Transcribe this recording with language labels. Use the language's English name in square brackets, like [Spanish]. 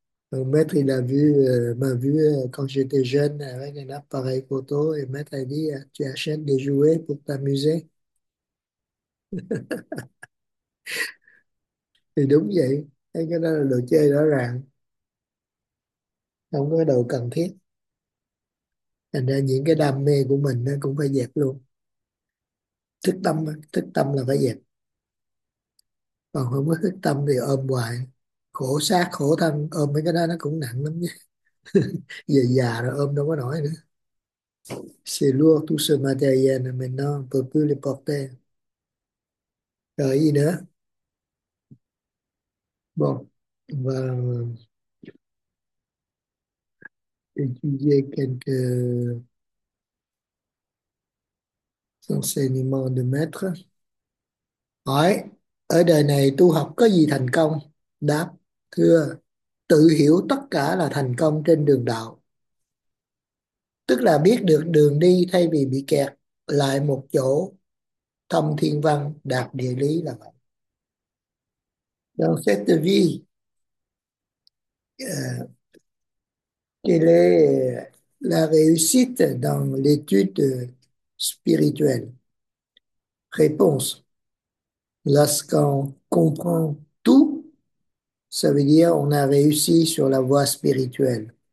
[Vietnamese] Mẹ thì là [French] vu mà vu quand j'étais jeune avec un appareil photo et mẹ t'a dit tu achètes des jouets pour t'amuser. [Vietnamese] Thì đúng vậy, cái đó là đồ chơi rõ ràng, không có đồ cần thiết, thành ra những cái đam mê của mình nó cũng phải dẹp luôn. Thức tâm là phải dẹp, còn không có thức tâm thì ôm hoài khổ xác khổ thân, ôm mấy cái đó nó cũng nặng lắm nhé. Giờ già rồi ôm đâu có nổi nữa. [French] C'est lourd tout ce matériel mais non, on peut plus le porter. [Vietnamese] Rồi gì nữa? [French] Bon. Và quelques enseignements de maître. [Vietnamese] Hỏi, ở đời này tu học có gì thành công? Đáp, thưa, tự hiểu tất cả là thành công trên đường đạo. Tức là biết được đường đi thay vì bị kẹt lại một chỗ, thông thiên văn, đạt địa lý là vậy. [French] Dans cette vie, quelle est la réussite dans l'étude spirituelle? Réponse, lorsqu'on comprend tout, ça veut dire on a réussi sur la voie spirituelle.